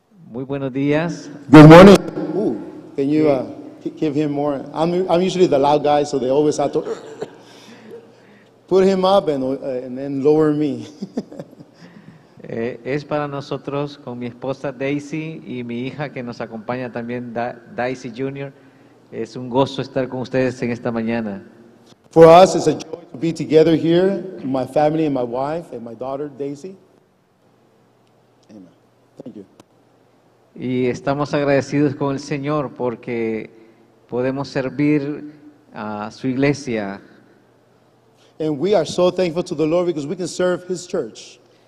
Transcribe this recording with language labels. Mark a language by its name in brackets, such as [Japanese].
[Spanish] Muy buenos días. [English] Good morning. Ooh, can you give him more? I'm usually the loud guy, so they always have to put him up and then lower me. [Spanish] Es para nosotros con mi esposa Daysi y mi hija que nos acompaña también, Daysi Jr. Es un gozo estar con ustedes en esta mañana. [English] For us, it's a joy to be together here, my family and my wife and my daughter Daysi. Amen. Thank you. [Spanish] Y estamos agradecidos con el Señor porque podemos servir a su iglesia. [English] And we are so thankful to the Lord because we can serve his church.